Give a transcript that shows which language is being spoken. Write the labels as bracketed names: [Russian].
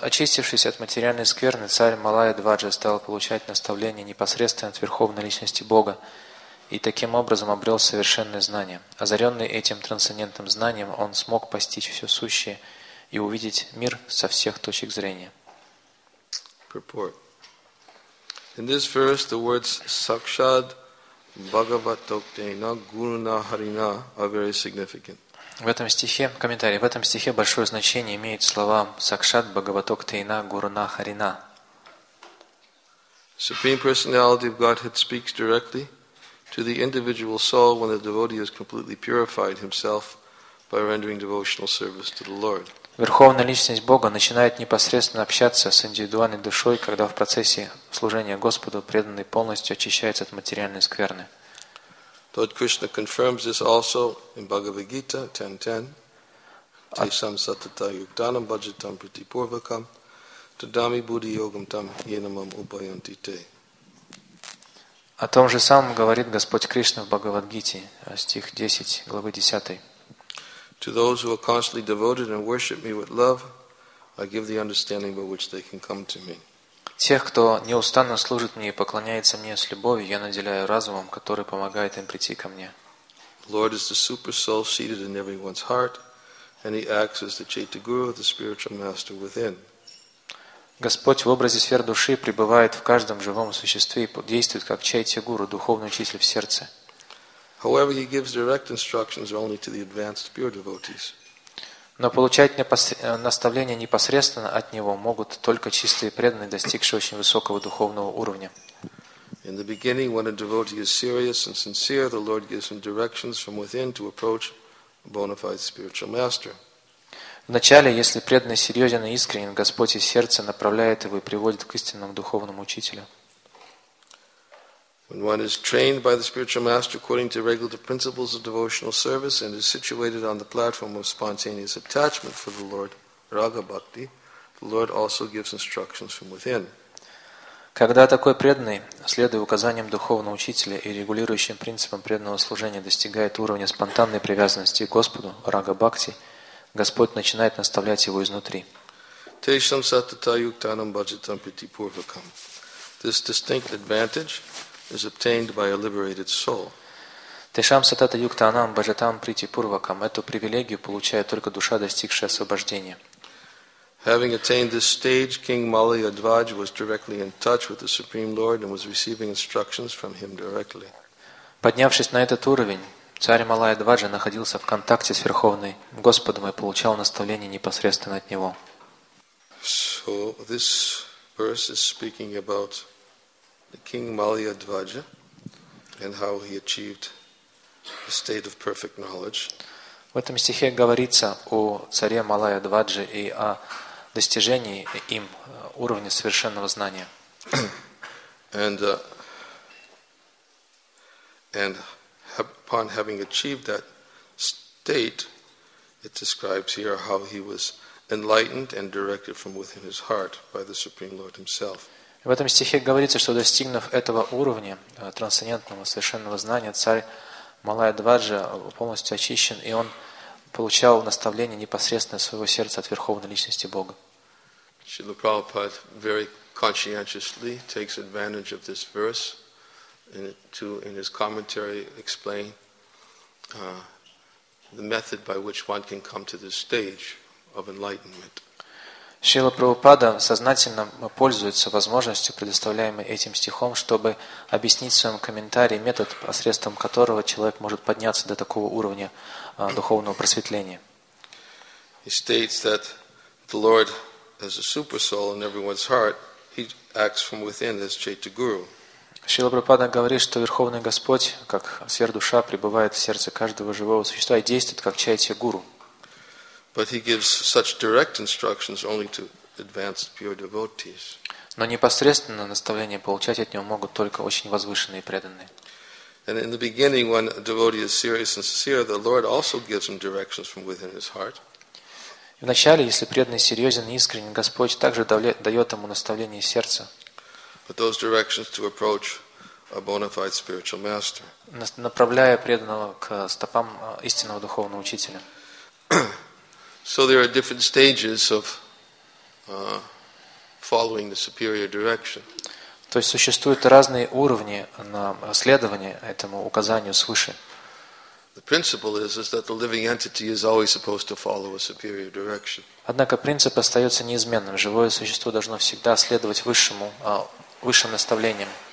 [Russian] Очистившись от материальной скверны, царь Малайя-дваджа стал получать наставления непосредственно от Верховной Личности Бога и таким образом обрел совершенное знание. Озаренный этим трансцендентным знанием, он смог постичь все сущее и увидеть мир со всех точек зрения. [English] Purport. In this verse, the words [Sanskrit] Sakshad Bhagavatoktena Guruna Harina [English] are very significant. [Russian] В этом стихе, комментарий, в этом стихе большое значение имеют слова [Sanskrit] Сакшат Бхагаваток Тейна Гуруна Харина. [English] Supreme Personality of Godhead speaks directly to the individual soul when the devotee has completely purified himself by rendering devotional service to the Lord. [Russian] Верховная Личность Бога начинает непосредственно общаться с индивидуальной душой, когда в процессе служения Господу преданный полностью очищается от материальной скверны. [English] Lord Krishna confirms this also in Bhagavad Gita 10:10. [Sanskrit] Tesam satata yuktanam bhajatam priti purvakam tadami buddhi yogam tam yenamam upayanti te. [Russian] О том же самом говорит Господь Кришна в Бхагавад-гите, стих 10, главы 10. [English] To those who are constantly devoted and worship me with love, I give the understanding by which they can come to me. [Russian] Тех, кто неустанно служит мне и поклоняется мне с любовью, я наделяю разумом, который помогает им прийти ко мне. [English] Lord is the super soul seated in everyone's heart, and he acts as the Chaitaguru, the spiritual master within. [Russian] Господь в образе сфер души пребывает в каждом живом существе и действует как Чайтигуру, духовный учитель в сердце. [English] However, he gives direct instructions only to the advanced pure devotees. [Russian] Но получать наставления непосредственно от Него могут только чистые преданные, достигшие очень высокого духовного уровня. [English] In the beginning, when a devotee is serious and sincere, the Lord gives him directions from within to approach a bona fide spiritual master. [Russian] Вначале, если преданный серьезен и искренен, Господь из сердца направляет его и приводит к истинному духовному учителю. [English] When one is trained by the spiritual master according to regular principles of devotional service and is situated on the platform of spontaneous attachment for the Lord, Raga Bhakti, the Lord also gives instructions from within. [Russian] Когда такой преданный, следуя указаниям духовного учителя и регулирующим принципам преданного служения, достигает уровня спонтанной привязанности к Господу, Рага Бхакти, Господь начинает наставлять его изнутри. [Sanskrit] Tesham satata yuktanam bhajatam priti purvakam. [English] This distinct advantage is obtained by a liberated soul. [Sanskrit] Тешам сатата юктанам бажатам прити пурвакам. [Russian] Эту привилегию получает только душа, достигшая освобождения. [English] Having attained this stage, King Malayadhvaja was directly in touch with the Supreme Lord and was receiving instructions from him directly. [Russian] Поднявшись на этот уровень, царь Малайя-дваджа находился в контакте с Верховной Господом и получал наставление непосредственно от Него. [English] So this verse is speaking about King Malayadhvaja and how he achieved a state of perfect knowledge. [Russian] В этом стихе говорится о царе Малайя-дваджи и о достижении им уровня совершенного знания. [English] And upon having achieved that state, it describes here how he was enlightened and directed from within his heart by the Supreme Lord himself. [Russian] В этом стихе говорится, что достигнув этого уровня трансцендентного совершенного знания, царь Малайя-дваджа полностью очищен, и он получал наставление непосредственно из своего сердца от Верховной Личности Бога. [English] Srila Prabhupada very conscientiously takes advantage of this verse to, in his commentary, explain the method by which one can come to this stage of enlightenment. [Russian] Шрила Прабхупада сознательно пользуется возможностью, предоставляемой этим стихом, чтобы объяснить в своем комментарии метод, посредством которого человек может подняться до такого уровня духовного просветления. [English] He states that the Lord is a super soul in everyone's heart. He acts from within as Chaitaguru. [Russian] Шрила Прабхупада говорит, что Верховный Господь, как сверхдуша, пребывает в сердце каждого живого существа и действует как Чайтья-гуру. [English] But he gives such direct instructions only to advanced pure devotees. [Russian] Но непосредственно наставление получать от него могут только очень возвышенные преданные. [English] And in the beginning, when a devotee is serious and sincere, the Lord also gives him directions from within his heart. [Russian] Вначале, если преданный серьезен и искренен, Господь также дает ему наставление из сердца. [English] But those directions to approach a bona fide spiritual master. [Russian] Направляя преданного к стопам истинного духовного учителя. [English] So there are different stages of following the superior direction. [Russian] То есть существуют разные уровни на следование этому указанию свыше. [English] The principle is that the living entity is always supposed to follow a superior direction. [Russian] Однако принцип остается неизменным. Живое существо должно всегда следовать высшему, высшим наставлениям.